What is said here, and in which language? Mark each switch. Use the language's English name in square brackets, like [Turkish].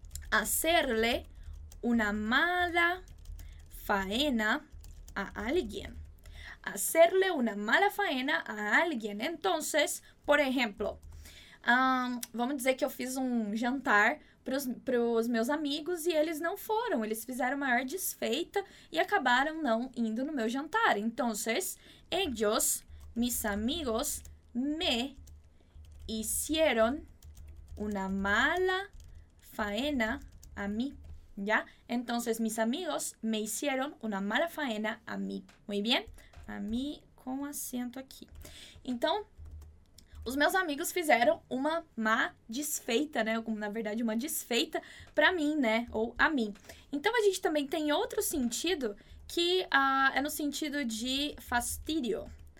[Spanish] Hacerle una mala faena a alguien. Hacerle una mala faena a alguien. Entonces, por ejemplo, [Portuguese] vamos dizer que eu fiz um jantar pros meus amigos e eles não foram. Eles fizeram maior desfeita e acabaram não indo no meu jantar. [Spanish] Entonces, ellos... Mis amigos me hicieron una mala faena a mí, ¿ya? Entonces, mis amigos me hicieron una mala faena a mí. Muy bien. A mí con acento aquí. [Portuguese] Então, os meus amigos fizeram uma má desfeita, né? Como, na verdade, uma desfeita para mim, né? Ou a mim. Então, a gente também tem outro sentido que é no sentido de fastidio.